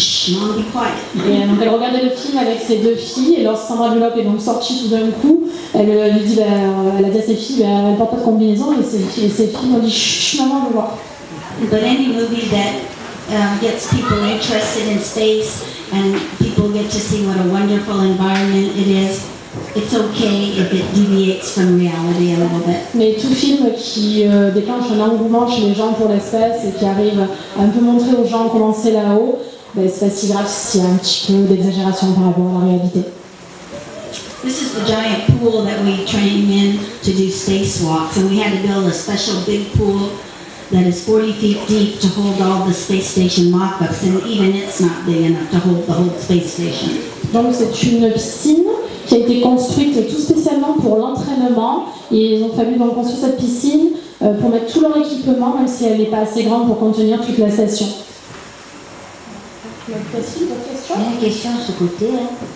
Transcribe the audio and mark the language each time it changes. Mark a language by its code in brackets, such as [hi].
[fr] Donc elle regardait le film avec ses deux filles et lorsque Sandra Bullock est donc sortie tout d'un coup, elle lui dit, elle a dit à ses filles, elle porte pas de combinaison et ses filles ont dit chut, maman, va voir. [en] But any movie that gets people interested in space and people get to see what a wonderful environment it is, it's okay if it deviates from reality a little bit. [fr] Mais tout film qui déclenche un engouement chez les gens pour l'espace et qui arrive à un peu montrer aux gens comment c'est là-haut, ben c'est pas si grave s'il y a un petit peu d'exagération par rapport à la réalité. [en] This is the giant pool that we train in to do spacewalks, and we had to build a special big pool that is 40 feet deep to hold all the space station mock-ups, and even it's not big enough to hold the whole space station. [fr] Donc c'est une piscine qui a été construite tout spécialement pour l'entraînement. Et ils ont fallu donc construire cette piscine pour mettre tout leur équipement, même si elle n'est pas assez grande pour contenir toute la station. Une question de ce côté. Hein.